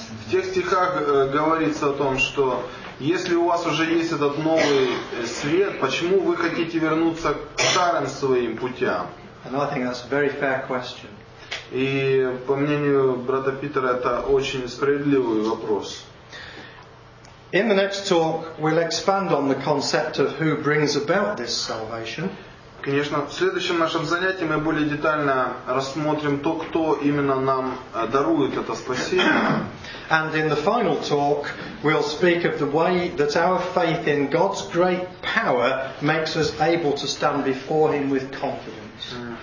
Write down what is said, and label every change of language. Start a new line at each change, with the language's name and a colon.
Russian: тех стихах говорится о том, что если у вас уже есть этот новый свет, почему вы хотите вернуться к старым своим путям?
English: And I think that's a very fair question.
Russian: И по мнению брата Питера, это очень справедливый вопрос.
English: In the next talk, we'll expand on the concept of who brings about this salvation.
Russian: Конечно, в следующем нашем занятии мы более детально рассмотрим то, кто именно нам дарует это спасение.
English: And in the final talk, we'll speak of the way that our faith in God's great power makes us able to stand before Him with confidence.